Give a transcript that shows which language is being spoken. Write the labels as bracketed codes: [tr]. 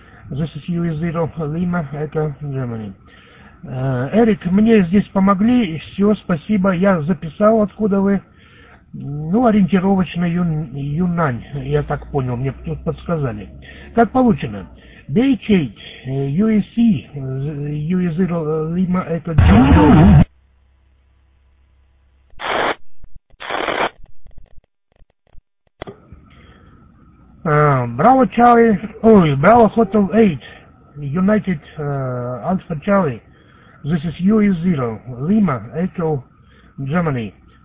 [en] This is US0, Lima, Echo, Germany. [ru] Эрик, мне здесь помогли, все, спасибо, я записал, откуда вы. Ну, ориентировочно Юнань, я так понял, мне тут подсказали. Как получено? [en] BHA, USC, US0, Lima, Echo, Germany. Браво Чарли, ой, Браво Хотел 8, United Alpha Charlie, this is US0, Lima, Echo, Germany.